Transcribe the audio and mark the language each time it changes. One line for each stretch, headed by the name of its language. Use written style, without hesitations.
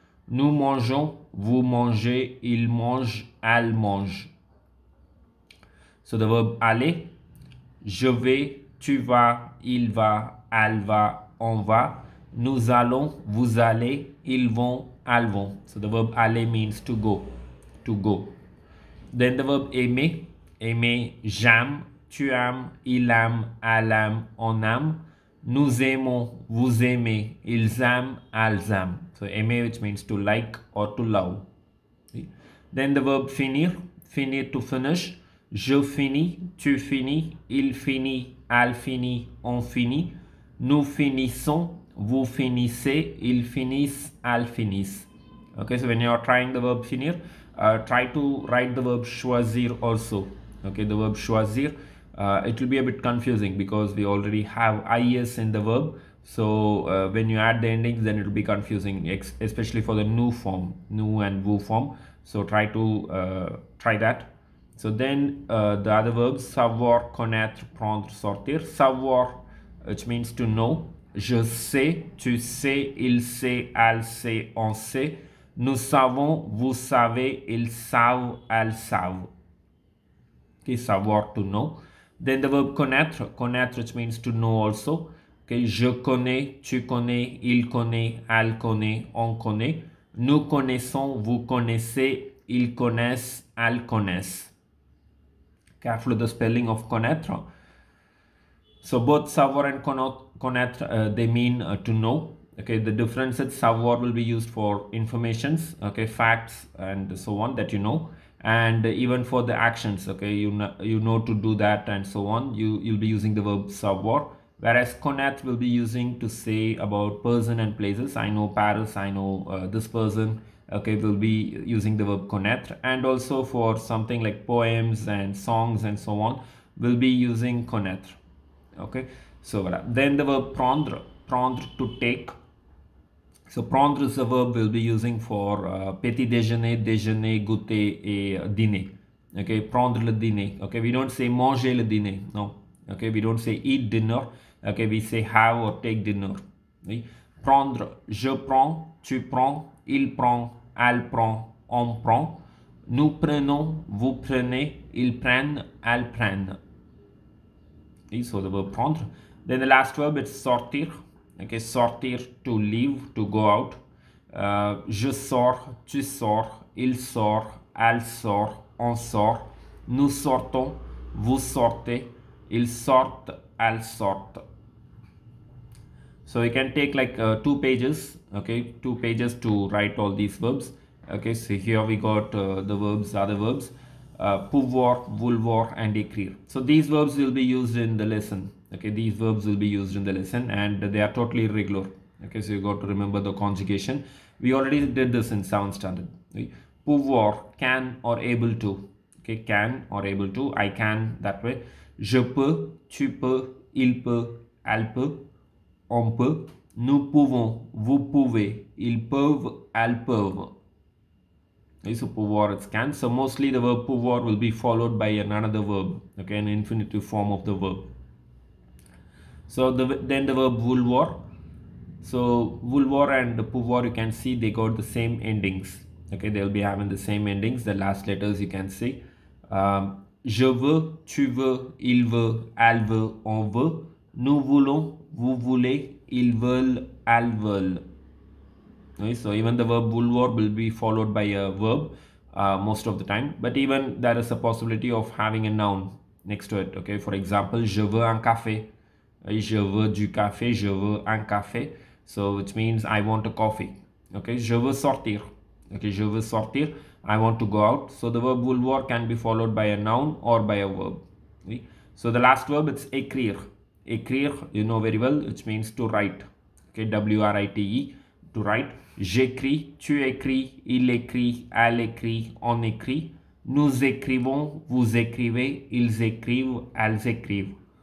French: Nous mangeons, vous mangez, il mange, elle mange.
English: So the verb
French: aller, je vais, tu vas, il va, elle va, on va. Nous allons, vous allez, ils vont, elles vont.
English: So the verb aller means to go, to go. Then the verb aimer, aimer,
French: j'aime, tu aimes, il aime, elle aime, on aime. Nous aimons, vous aimez, ils aiment, elles aiment.
English: So aimer, which means to like or to love. See? Then the verb finir, finir to finish.
French: Je finis, tu finis, il finit, elle finit, on finit. Nous finissons, vous finissez, ils finissent, elles finissent.
English: Okay, so when you are trying the verb finir, try to write the verb choisir also. Okay, the verb choisir, it will be a bit confusing because we already have IS in the verb. So when you add the endings, then it will be confusing, especially for the new form, new and vous form. So try to try that. So then the other verbs, savoir, connaître, prendre, sortir. Savoir, which means to know.
French: Je sais, tu sais, il sait, elle sait, on sait. Nous savons, vous savez, ils savent, elles savent.
English: Okay, savoir, to know. Then the verb connaître, connaître, which means to know also.
French: Okay, je connais, tu connais, il connaît, elle connaît, on connaît. Nous connaissons, vous connaissez, ils connaissent, elles connaissent.
English: Careful with the spelling of connaître. So both savoir and connaître, they mean to know. Okay, the difference is savoir will be used for informations, okay, facts and so on that you know. And even for the actions, okay, you know to do that and so on, you'll be using the verb savoir. Whereas connaître will be using to say about person and places. I know Paris, I know this person. Okay, we'll be using the verb connaître, and also for something like poems and songs and so on, we'll be using connaître. Okay, so then the verb prendre, prendre to take. So prendre is a verb we'll be using for petit déjeuner, déjeuner, goûter et dîner. Okay,
French: prendre le dîner.
English: Okay, we don't say
French: manger le dîner.
English: No. Okay, we don't say eat dinner. Okay, we say have or take dinner. Okay?
French: Prendre, je prends, tu prends, il prend, elle prend, on prend. Nous prenons, vous prenez, ils prennent, elles prennent.
English: Okay, so the verb prendre. Then the last verb is sortir. Okay, sortir, to leave, to go out.
French: Je sors, tu sors, il sort, elle sort, on sort. Nous sortons, vous sortez, ils sortent, elles sortent.
English: So you can take like two pages to write all these verbs. Okay, so here we got the verbs, other verbs, pouvoir, vouloir, and écrire. So these verbs will be used in the lesson. Okay, these verbs will be used in the lesson, and they are totally irregular. Okay, so you got to remember the conjugation. We already did this in 7th standard. Okay? Pouvoir, can or able to. Okay, can or able to. I can that way.
French: Je peux, tu peux, il peut, elle peut. On peut, nous pouvons, vous pouvez, ils peuvent, elles peuvent.
English: Okay, so pouvoir is can. So mostly the verb pouvoir will be followed by another verb, okay, an infinitive form of the verb. So then the verb vouloir. So vouloir and pouvoir, you can see they got the same endings. Okay, they'll be having the same endings. The last letters you can see. Je veux, tu veux, il veut, elle veut, on veut. Nous voulons, vous voulez, ils veulent, elles veulent. Okay, so even the verb vouloir will be followed by a verb most of the time. But even there is a possibility of having a noun next to it. Okay, for example,
French: je veux un café. Je veux du café, je veux un café.
English: So which means I want a coffee. Okay,
French: je veux sortir.
English: Okay,
French: je veux sortir.
English: I want to go out. So the verb vouloir can be followed by a noun or by a verb. Okay? So the last verb, it's écrire. Écrire, you know very well, which means to write. Okay, W-R-I-T-E, to write.
French: J'écris, tu écris, il écrit, elle écrit, on écrit. Nous écrivons, vous écrivez, ils écrivent, elles écrivent.